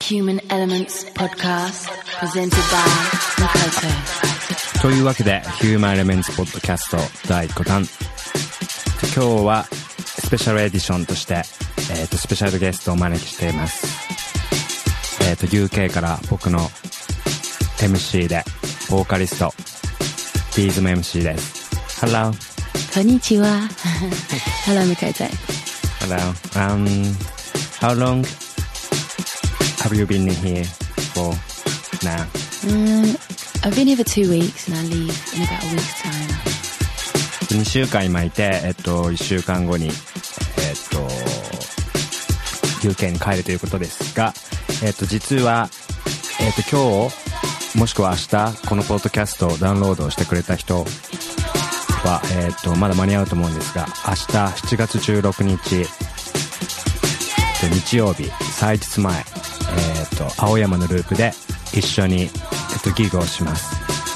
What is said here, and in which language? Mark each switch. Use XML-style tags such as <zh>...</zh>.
<en>Human Elements Podcast presented by Makoto.</en> <ja>というわけで Human Elements Podcast 第5弾、今日はスペシャルエディションとして、スペシャルゲストを招きしています。 UK から僕の MC でボーカリストビーズの MC です。</ja> <en>Hello、</en> <ja>こんにちは。</ja> <en>Hello</en> <ja>Makoto。</ja> <en>Hello、 How longHave you been here for now?、 I've been here for 2 weeks and I leave in about a week's time.</en> <ja>2週間今いて、1週間後に、UK に帰るということですが、実は、今日もしくは明日このポッドキャストをダウンロードしてくれた人は、まだ間に合うと思うんですが、明日7月16日、日曜日祭日前、青山のループで一緒に、ギグをします。</ja>